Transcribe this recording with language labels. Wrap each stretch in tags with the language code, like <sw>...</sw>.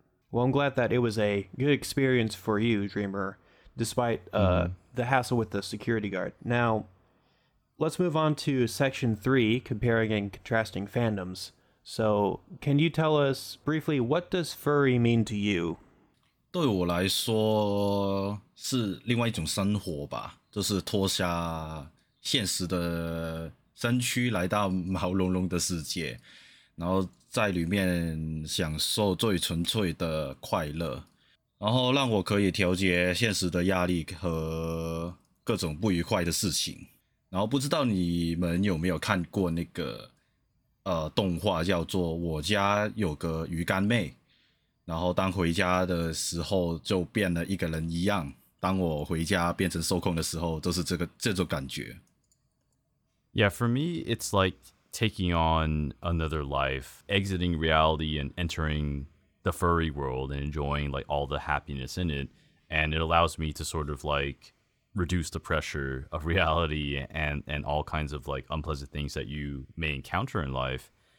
<en>Well, I'm glad that it was a good experience for you, Dreamer, despite the hassle with the security guard. Now, let's move on to section 3, comparing and contrasting fandoms. So, can you tell us briefly what does furry mean to you?</en> <zh>对我来说是另外一种生活吧，就是脱下现实的身躯，来到毛茸茸的世界，然后在里面享受最纯粹的快乐，然后让我可以调节现实的压力和各种不愉快的事情。然后不知道你们有没有看过那个动画叫做我家有个鱼干妹，然后当回家的时候就变了一个人一样，当我回家变成受控的时候，就是这种感觉。</zh> <en>Yeah, for me it's like taking on another life, exiting reality and entering the furry world and enjoying like all the happiness in it, and it allows me to sort of like reduce the pressure of reality and all kinds of like unpleasant things that you may encounter in life.</en>